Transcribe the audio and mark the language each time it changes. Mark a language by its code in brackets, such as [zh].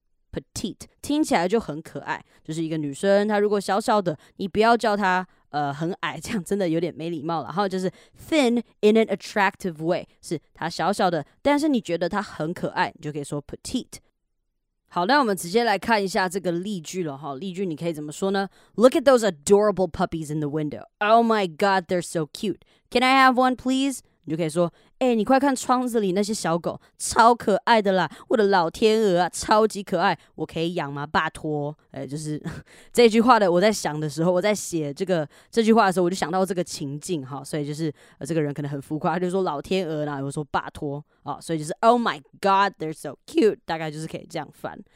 [zh] Petite 听起来就很可爱，就是一个女生，她如果小小的，你不要叫她很矮，这样真的有点没礼貌了。还有就是 [en] thin in an attractive way， [zh] 是她小小的，但是你觉得她很可爱，你就可以说 petite。好，那我们直接来看一下这个例句了哈。例句你可以怎么说呢 [en] ？Look at those adorable puppies in the window. Oh my god, they're so cute. Can I have one, please? [zh] 你就可以说，哎、欸，你快看窗子里那些小狗，超可爱的啦！我的老天鹅啊，超级可爱，我可以养吗？拜托，哎、欸，就是这句话的。我在想的时候，我在写这个这句话的时候，我就想到这个情境哈，所以就是这个人可能很浮夸，他就说老天鹅啦，我说拜托啊，所以就是 [en] Oh my God, they're so cute， [zh] 大概就是可以这样翻。